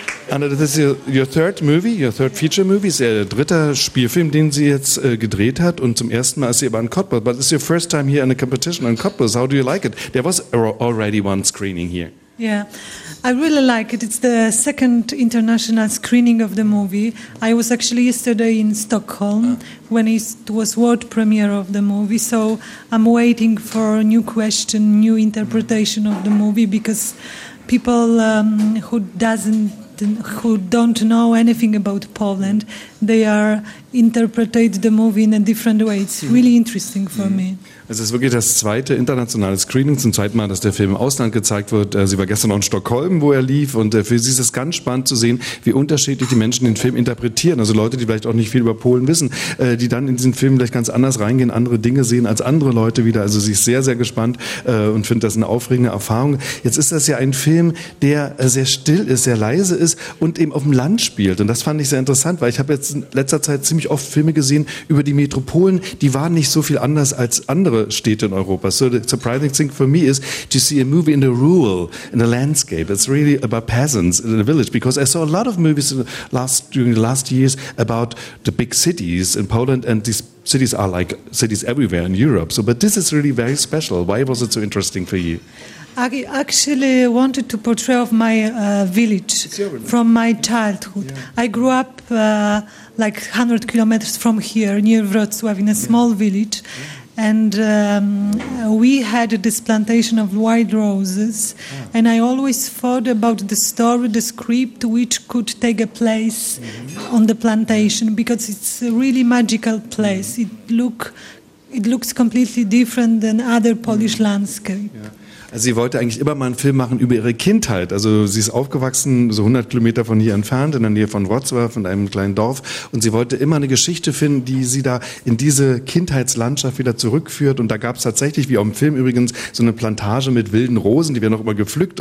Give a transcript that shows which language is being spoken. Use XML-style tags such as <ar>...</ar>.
<en>Anna, this is your third movie, your third feature movie.</en> <de>Es ist der dritte Spielfilm, den Sie jetzt gedreht hat und zum ersten Mal ist sie aber in Cottbus.</de> <en>But it's your first time here in a competition in Cottbus. How do you like it? There was already one screening here. Yeah, I really like it. It's the second international screening of the movie. I was actually yesterday in Stockholm when it was world premiere of the movie. So I'm waiting for a new question, new interpretation of the movie, because people who don't know anything about Poland, they are interpreting the movie in a different way. It's really interesting for me.</en> <de>Es ist wirklich das zweite internationale Screening, zum zweiten Mal, dass der Film im Ausland gezeigt wird. Sie war gestern noch in Stockholm, wo er lief, und für sie ist es ganz spannend zu sehen, wie unterschiedlich die Menschen den Film interpretieren. Also Leute, die vielleicht auch nicht viel über Polen wissen, die dann in diesen Film vielleicht ganz anders reingehen, andere Dinge sehen als andere Leute wieder. Also sie ist sehr, sehr gespannt und findet das eine aufregende Erfahrung. Jetzt ist das ja ein Film, der sehr still ist, sehr leise ist und eben auf dem Land spielt. Und das fand ich sehr interessant, weil ich habe jetzt in letzter Zeit ziemlich oft Filme gesehen über die Metropolen. Die waren nicht so viel anders als andere Städte in Europa.</de> <en>So the surprising thing for me is to see a movie in the rural, in the landscape. It's really about peasants in the village, because I saw a lot of movies during the last years about the big cities in Poland, and these cities are like cities everywhere in Europe. So, but this is really very special. Why was it so interesting for you? I actually wanted to portray of my village from my childhood. Yeah. I grew up like 100 kilometers from here near Wrocław in a small village. Yeah. And we had this plantation of wild roses, and I always thought about the story, the script, which could take a place on the plantation, because it's a really magical place. It looks completely different than other Polish landscape. Yeah.</en> <de>Also sie wollte eigentlich immer mal einen Film machen über ihre Kindheit. Also sie ist aufgewachsen, so 100 Kilometer von hier entfernt, in der Nähe von Wrocław, in einem kleinen Dorf. Und sie wollte immer eine Geschichte finden, die sie da in diese Kindheitslandschaft wieder zurückführt. Und da gab es tatsächlich, wie auch im Film übrigens, so eine Plantage mit wilden Rosen, die werden auch immer gepflückt.</de>